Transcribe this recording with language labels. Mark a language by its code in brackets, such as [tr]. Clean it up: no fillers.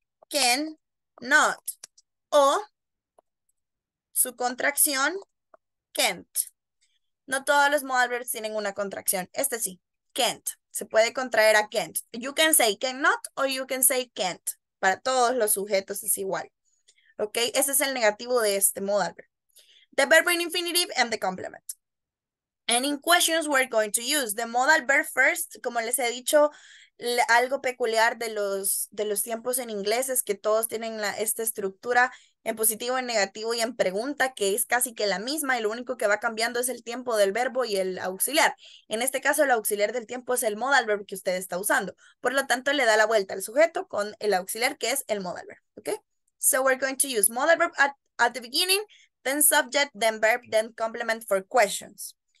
[es] Can not, o su contracción, can't. No todos los modal verbs tienen una contracción, este sí, can't, se puede contraer a can't. [en] You can say cannot [es] o [en] you can say can't, [es] para todos los sujetos es igual, ¿ok? Ese es el negativo de este modal verb. [en] The verb in infinitive and the complement. And in questions, we're going to use the modal verb first. [es] Como les he dicho, algo peculiar de los tiempos en inglés es que todos tienen esta estructura en positivo, en negativo y en pregunta, que es casi que la misma y lo único que va cambiando es el tiempo del verbo y el auxiliar. En este caso, el auxiliar del tiempo es el modal verb que usted está usando. Por lo tanto, le da la vuelta al sujeto con el auxiliar que es el modal verb. [en] Okay? So we're going to use modal verb at the beginning, then subject, then verb, then complement for questions.